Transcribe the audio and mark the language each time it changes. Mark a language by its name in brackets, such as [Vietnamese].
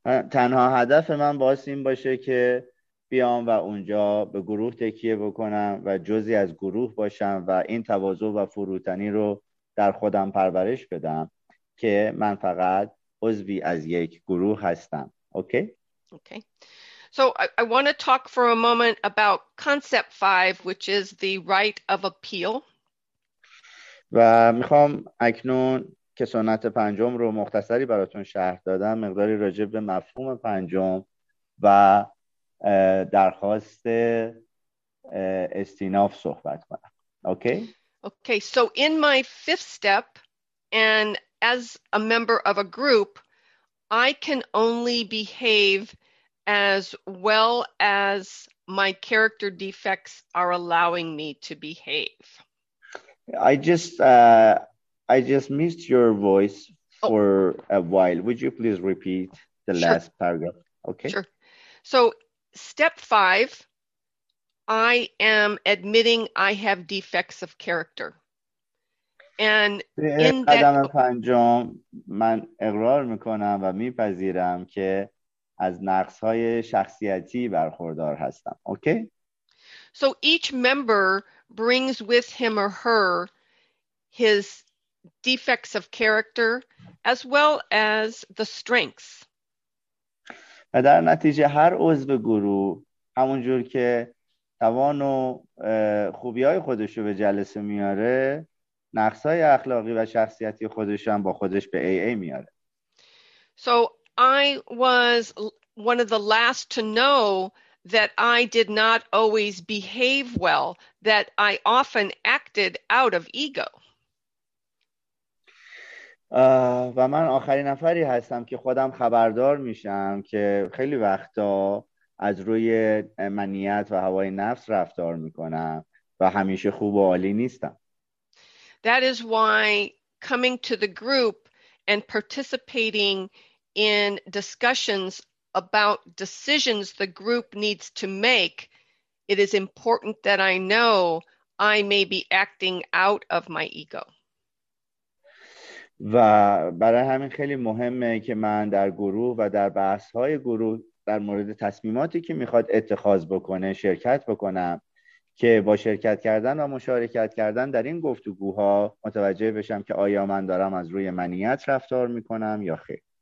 [Persian] تنها هدف من باز این باشه که بیام و اونجا به گروه تکیه بکنم و جزی از گروه باشم و این تواضع و فروتنی رو در خودم پرورش بدم که من فقط عضوی از یک گروه هستم. [English] Okay? Okay. So I want to talk for a moment about concept 5, which is the right of appeal. [Persian] و میخوام اکنون که سنت پنجم رو مختصری براتون شرح دادم مقداری راجع به مفهوم پنجم و درخواست استیناف صحبت کنم. [English] Okay? Okay. So in my fifth step and as a member of a group, I can only behave as well as my character defects are allowing me to behave. I just missed your voice for a while. Would you please repeat the last paragraph? Okay. Sure. So step 5, I am admitting I have defects of character. And in [Persian] قدم پنجم من اقرار میکنم و میپذیرم که از نقص‌های شخصیتی برخوردار هستم. [English] Okay? So each member brings with him or her his defects of character as well as the strengths. [Persian] و در نتیجه هر عضو گروه همون جور که توان و خوبی‌های خودش رو به جلسه میاره، نقص‌های اخلاقی و شخصیتی خودش هم با خودش به AA میاره. [English] So I was one of the last to know that I did not always behave well, that I often acted out of ego. [Persian] و من آخرین نفری هستم که خودم خبردار میشم که خیلی وقتا از روی منیت و هوای نفس رفتار میکنم و همیشه خوب و عالی نیستم. [English] That is why coming to the group and participating in discussions about decisions the group needs to make, it is important that I know I may be acting out of my ego. [Persian] و برای همین خیلی مهمه که من در گروه و در بحث‌های گروه در مورد تصمیماتی که میخواد اتخاذ بکنه شرکت بکنم، که با شرکت کردن و مشارکت کردن در این گفتگوها متوجه بشم که آیا من دارم از روی منیت رفتار میکنم یا خیر.